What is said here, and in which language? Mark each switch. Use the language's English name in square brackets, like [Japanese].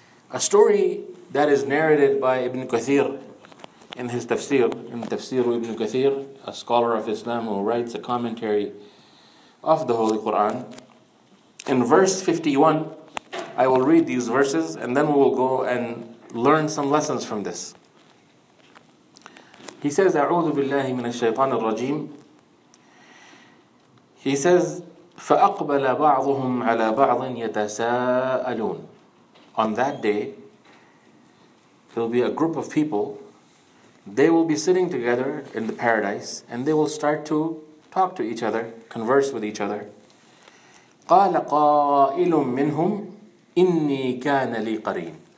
[English] A story that is narrated by Ibn Kathir in his tafsir. In tafsir Ibn Kathir, a scholar of Islam who writes a commentary of the Holy Quran. In verse 51, I will read these verses and then we will go and learn some lessons from this. He says, [Arabic] أعوذ بالله من الشيطان الرجيم. [English] He says, [Arabic] فَأَقْبَلَ بَعْضُهُمْ عَلَى بَعْضٍ يَتَسَاءَلُونَ. [English] On that day, there will be a group of people. They will be sitting together in the paradise and they will start to talk to each other, converse with each other. [Arabic] قَالَ قَائِلٌ مِّنْهُمْ إِنِّي كَانَ لِي قَرِينَ.